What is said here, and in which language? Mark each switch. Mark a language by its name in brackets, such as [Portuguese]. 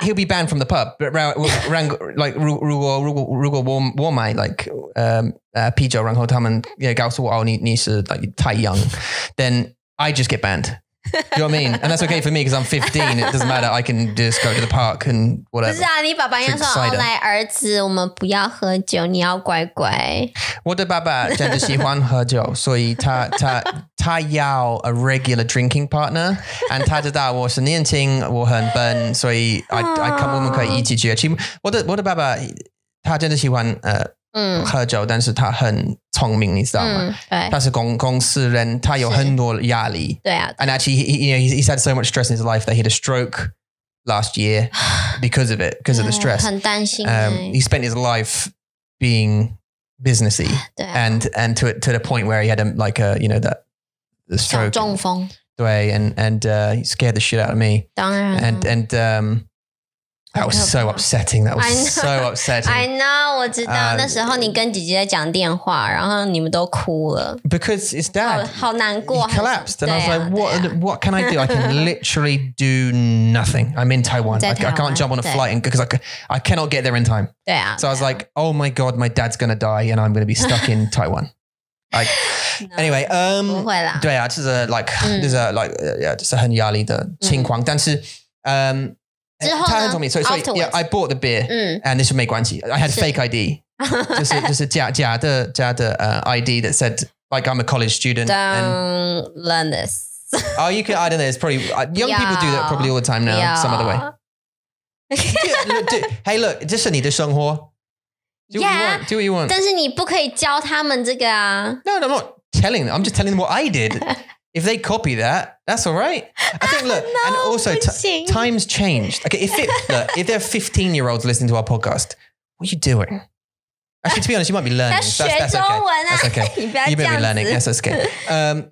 [English] He'll be banned from the pub. But like, [Chinese] 如果我买 [English] like, [Chinese] 啤酒，然后他们也告诉我，哦，你是 [English] like [Chinese] 太 [English] young, then I just get banned. You know what I mean? And that's okay for me because I'm 15. It doesn't matter. I can just go to the park and whatever. [Chinese] 不是啊，你爸爸应该说，来儿子，我们不要喝酒，你要乖乖。我的爸爸真的喜欢喝酒，所以他要 [English] a regular drinking partner, and [Chinese] 他知道我是年轻，我很笨，所以 [English] I come home and [Chinese] 一起去。我的爸爸他真的喜欢喝酒，但是他很聪明，你知道吗？对，他是公司人，他有很多压力。对啊。 [English] And actually, you know, he's had so much stress in his life that he had a stroke last year because of it, because of the stress. [Chinese] 很担心。 [English] He spent his life being businessy, [Chinese] 对啊。 [English] And to the point where he had you know, the stroke. [Chinese] 中风。 [English] 对，and he scared the shit out of me. [Chinese] 当然。 [English] And That was so upsetting. That was so upsetting. I know, [Chinese] 我知道。那时候你跟姐姐在讲电话，然后你们都哭了。 [English] Because it's dad. [Chinese] 好难过。 [English] He collapsed, and I was like, what can I do? I can literally do nothing. I'm in Taiwan. I can't jump on a flight because I cannot get there in time. [Chinese] 对啊。 [English] So I was like, oh my God, my dad's going to die and I'm going to be stuck in Taiwan. Like, anyway, [Chinese] 不会啦。对啊，这是like, 这是like, yeah, 这是很压力的情况。但是之后呢 [English] so yeah, I bought the beer and this was [Chinese] 没关系 [English] I had fake ID [Chinese] 就是假的 [English] ID that said like I'm a college student don't learn this oh you can I don't know it's probably young people do that probably all the time now some other way hey look [Chinese] 这是你的生活 [English] do what you want [Chinese] 但是你不可以教他们这个啊 [English] no I'm not telling them I'm just telling them what I did If they copy that, that's all right. I think, look, no, and also times changed. Okay, if there are 15-year-olds listening to our podcast, what are you doing? Actually, to be honest, you might be learning. That's okay. That's okay. You might be learning. Yes, that's okay.